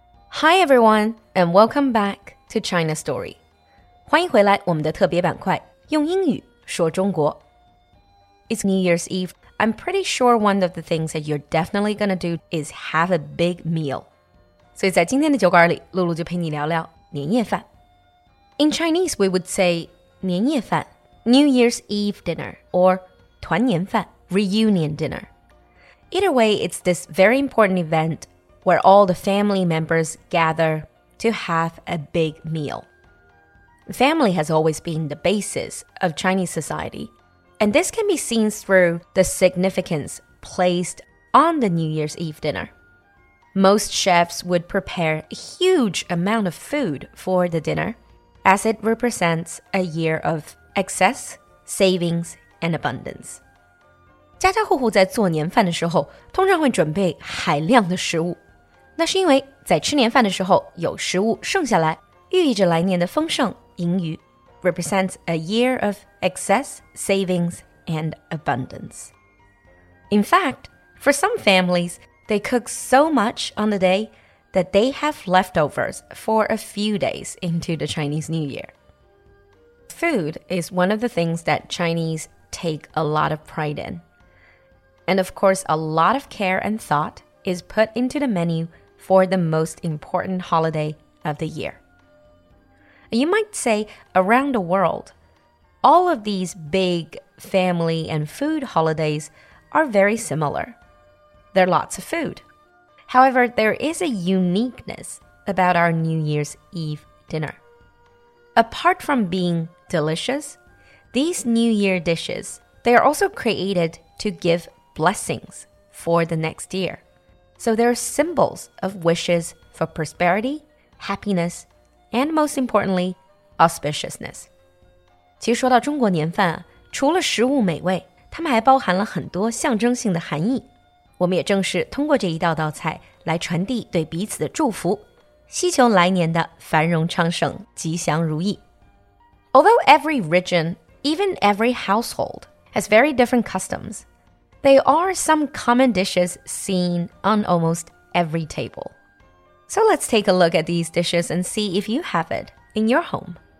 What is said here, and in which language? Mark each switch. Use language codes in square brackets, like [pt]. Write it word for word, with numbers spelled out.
[en] Hi everyone, and welcome back to China Story. [zh] 欢迎回来我们的特别板块，用英语说中国。 [en] It's New Year's Eve. I'm pretty sure one of the things that you're definitely gonna do is have a big meal. [zh] 所以在今天的酒馆里，露露就陪你聊聊年夜饭。 [en] In Chinese, we would say 年夜饭 New Year's Eve dinner, or 团年饭 Reunion dinner. Either way, it's this very important event where all the family members gather to have a big meal. Family has always been the basis of Chinese society, and this can be seen through the significance placed on the New Year's Eve dinner. Most chefs would prepare a huge amount of food for the dinner, as it represents a year of excess, savings, and abundance. [zh] 家家户户在做年饭的时候，通常会准备海量的食物。那是因为在吃年饭的时候有食物剩下来，寓意着来年的丰盛盈余 [en] represents a year of excess, savings, and abundance. In fact, for some families, they cook so much on the day that they have leftovers for a few days into the Chinese New Year. Food is one of the things that Chinese take a lot of pride in. And of course, a lot of care and thought is put into the menu for the most important holiday of the year. You might say around the world, all of these big family and food holidays are very similar. There are lots of food. However, there is a uniqueness about our New Year's Eve dinner. Apart from being delicious, these New Year dishes, they are also created to give blessings for the next year. So there are symbols of wishes for prosperity, happiness, and most importantly, auspiciousness. [zh] 其实说到中国年饭啊，除了食物美味，它们还包含了很多象征性的含义。我们也正是通过这一道道菜来传递对彼此的祝福，希求来年的繁荣昌盛、吉祥如意。 [en] Although every region, even every household, has very different customs,There are some common dishes seen on almost every table. So let's take a look at these dishes and see if you have it in your home.